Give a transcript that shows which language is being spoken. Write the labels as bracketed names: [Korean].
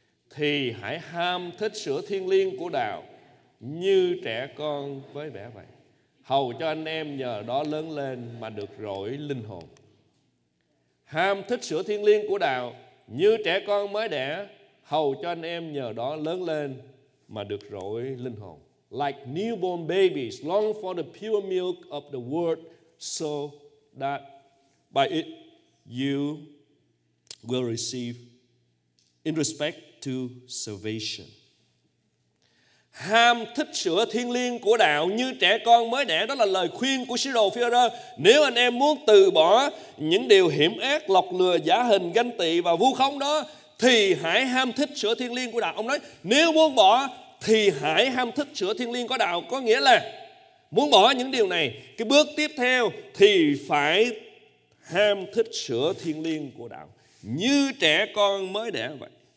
[Vietnamese] Thì hãy ham thích sữa thiêng liêng của đạo như trẻ con với bé vậy, hầu cho anh em nhờ đó lớn lên mà được rỗi linh hồn. Ham thích sữa thiêng liêng của đạo như trẻ con mới đẻ, hầu cho anh em nhờ đó lớn lên mà được rỗi linh hồn. [English] Like newborn babies long for the pure milk of the word, so that by it you will receive in respect to salvation. [Vietnamese] Ham thích sữa thiêng liêng của đạo như trẻ con mới đẻ, đó là lời khuyên của sứ đồ Phi-e-rơ. Nếu anh em muốn từ bỏ những điều hiểm ác, lọc lừa, giả hình, ganh tị và vu khống đó, thì hãy ham thích sữa thiêng liêng của đạo. Ông nói nếu muốn bỏ thì hãy ham thích sữa thiêng liêng của đạo, có nghĩa là muốn bỏ những điều này, cái bước tiếp theo thì phải ham thích sữa thiêng liêng của đạo như trẻ con mới đẻ vậy.